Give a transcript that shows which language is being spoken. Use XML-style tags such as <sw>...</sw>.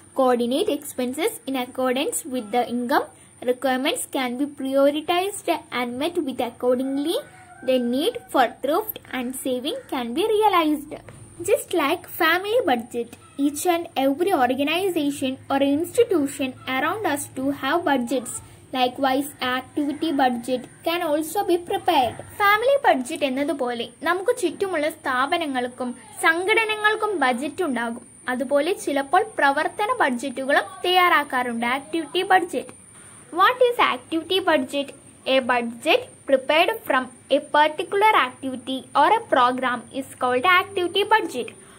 <en>Coordinate expenses in accordance with the income, requirements can be prioritised and met with accordingly, the need for thrift and saving can be realised. Just like family budget, each and every organisation or institution around as to have budgets. Likewise, activity budget can also be prepared.</en> <ml>Family budget എന്നതുപോലെ നമുക്ക് ചുറ്റുമുള്ള സ്ഥാപനങ്ങൾക്കും സംഘടനകൾക്കും budget ഉണ്ടാകും. അതുപോലെ ചിലപ്പോൾ പ്രവർത്തന ബഡ്ജറ്റുകളും തയ്യാറാക്കാറുണ്ട്.</ml> <en>Activity budget. What is activity budget? A budget prepared from a particular activity or a programme is called activity budget.</en>